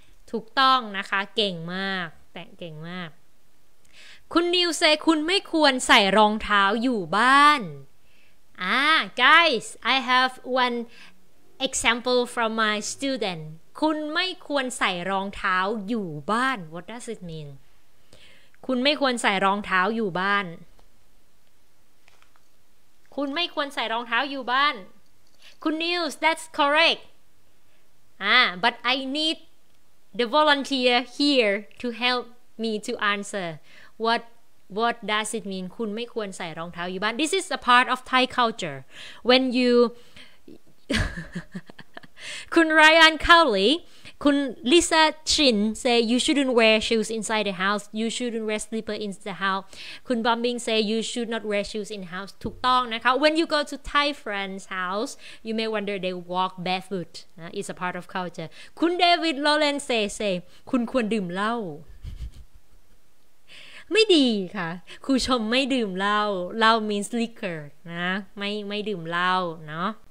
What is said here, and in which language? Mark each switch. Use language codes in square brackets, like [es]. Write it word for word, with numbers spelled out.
[th] ถูกต้องนะคะเก่งมากแต่เก่งมากคุณนิว say คุณไม่ควรใส่รองเท้าอยู่บ้าน [en] Ah, guys, I have one example from my student. [th] คุณไม่ควรใส่รองเท้าอยู่บ้าน [en] What does it mean? [th] คุณไม่ควรใส่รองเท้าอยู่บ้าน คุณไม่ควรใส่รองเท้าอยู่บ้าน คุณนิวส์ [en] that's correct. Ah, but I need the volunteer here to help me to answer what. What does it mean [th] คุณไม่ควรใส่รองเท้าอยู่บ้าน [en] This is a part of Thai culture when you คุณ Ryan Cowley คุณ Lisa Chin say you shouldn't wear shoes inside the house, you shouldn't wear slipper in the house. คุณ Bombing say you should not wear shoes in house. [th] ถูกต้องนะคะ [en] When you go to Thai friends house, you may wonder they walk barefoot. [th] นะ [en] It's a part of culture. [th] คุณ David Lawrence say say คุณควรดื่มเหล้า ไม่ดีค่ะครูชมไม่ดื่มเหล้าเหล้า [en] means liquor [th] นะไม่ไม่ดื่มเหล้าเนาะ